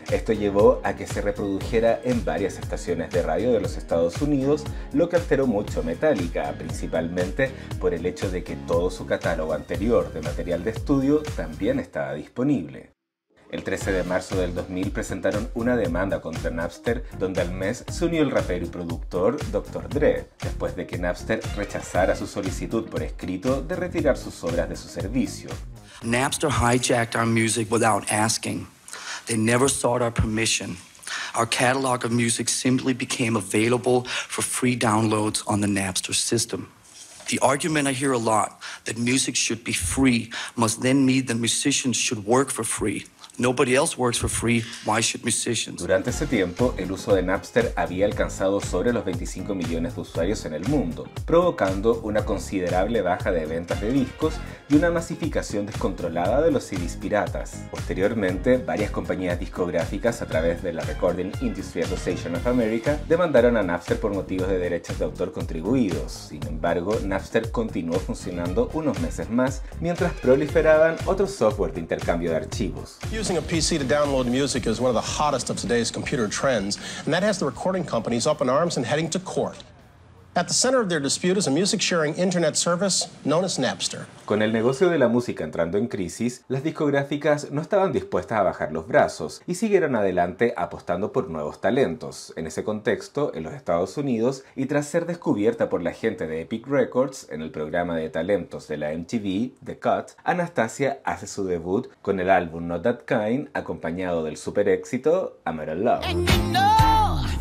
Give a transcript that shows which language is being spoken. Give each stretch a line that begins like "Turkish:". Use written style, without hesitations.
Spanish: Esto llevó a que se reprodujera en varias estaciones de radio de los Estados Unidos, lo que alteró mucho a Metallica, principalmente por el hecho de que todo su catálogo anterior de material de estudio también estaba disponible. El 13 de marzo del 2000 presentaron una demanda contra Napster, donde al mes se unió el rapero y productor Dr. Dre, después de que Napster rechazara su solicitud por escrito de retirar sus obras de su servicio.
English: Napster hijacked our music without asking. They never sought our permission. Our catalog of music simply became available for free downloads on the Napster system. The argument I hear a lot, that music should be free, must then mean that musicians should work for free. Nobody else works for free, why should musicians?
Spanish: Durante ese tiempo, el uso de Napster había alcanzado sobre los 25 millones de usuarios en el mundo, provocando una considerable baja de ventas de discos y una masificación descontrolada de los CDs piratas. Posteriormente, varias compañías discográficas a través de la Recording Industry Association of America demandaron a Napster por motivos de derechos de autor contribuidos. Sin embargo, Napster continuó funcionando unos meses más mientras proliferaban otros software de intercambio de archivos.
English: Using a PC to download music is one of the hottest of today's computer trends, and that has the recording companies up in arms and heading to court. At the center of their dispute is a music sharing internet service known as Napster.
Spanish: Con el negocio de la música entrando en crisis, las discográficas no estaban dispuestas a bajar los brazos y siguieron adelante apostando por nuevos talentos. En ese contexto, en los Estados Unidos, y tras ser descubierta por la gente de Epic Records en el programa de talentos de la MTV, The Cut, Anastasia hace su debut con el álbum Not That Kind, acompañado del super éxito I'm Out of Love.